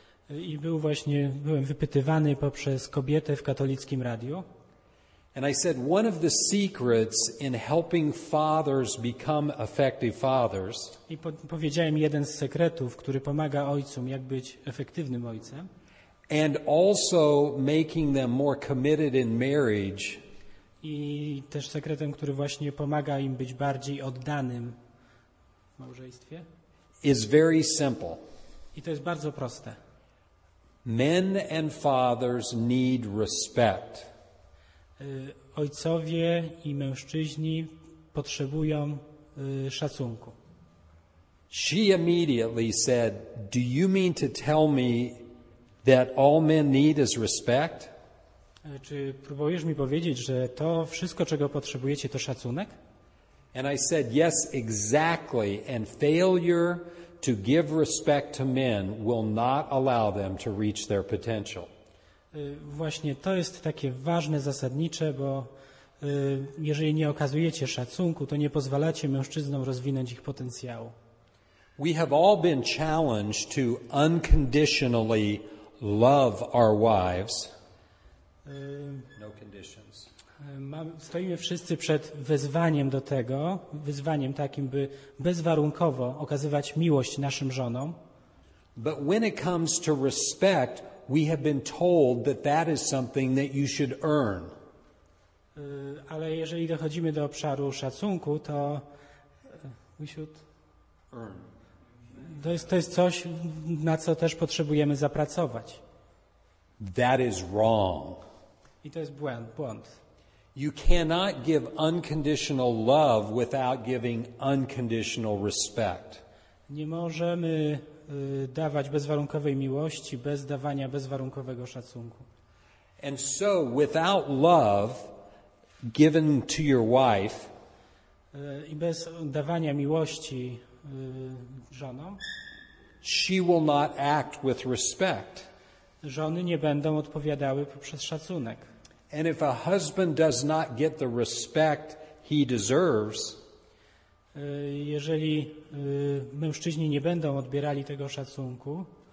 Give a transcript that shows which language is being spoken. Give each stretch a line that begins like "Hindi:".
Polish: I był właśnie byłem wypytywany poprzez kobietę w katolickim radiu.
English: And I said one of the secrets in helping fathers become effective fathers.
Polish: I powiedziałem jeden z sekretów, który pomaga ojcom jak być efektywnym ojcem.
English: And also making them more committed in marriage.
Polish: I też sekretem, który właśnie pomaga im być bardziej oddanym w małżeństwie.
English: Is very simple.
Polish: I to jest bardzo proste.
English: Men and fathers need respect.
Polish: Ojcowie i mężczyźni potrzebują szacunku.
English: She immediately said, "Do you mean to tell me that all men need is respect?"
Polish: Czy próbujesz mi powiedzieć, że to wszystko, czego potrzebujecie, to szacunek?
English: And I said, "Yes, exactly. And failure to give respect to men will not allow them to reach their potential."
Polish: Właśnie to jest takie ważne, zasadnicze, bo jeżeli nie okazujecie szacunku, to nie pozwalacie mężczyznom rozwinąć ich potencjału.
English: We have all been challenged to unconditionally love our wives. No conditions.
Polish: Stoimy wszyscy przed wezwaniem do tego, wyzwaniem takim, by bezwarunkowo okazywać miłość naszym żonom.
English: But when it comes to respect, we have been told that that is something that you should earn.
Polish: Ale jeżeli dochodzimy do obszaru szacunku, to
English: we should earn.
Polish: To jest coś, na co też potrzebujemy zapracować.
English: That is wrong.
Polish: I to jest błąd.
English: You cannot give unconditional love without giving unconditional respect.
Polish: Nie możemy dawać bezwarunkowej miłości bez dawania bezwarunkowego szacunku.
English: And so without love given to your wife,
Polish: I bez dawania miłości żonom,
English: she will not act with respect.
Polish: Żony nie będą odpowiadały poprzez szacunek.
English: And if a husband does not get the respect he deserves,
Polish: jeżeli mężczyźni nie będą odbierali tego szacunku,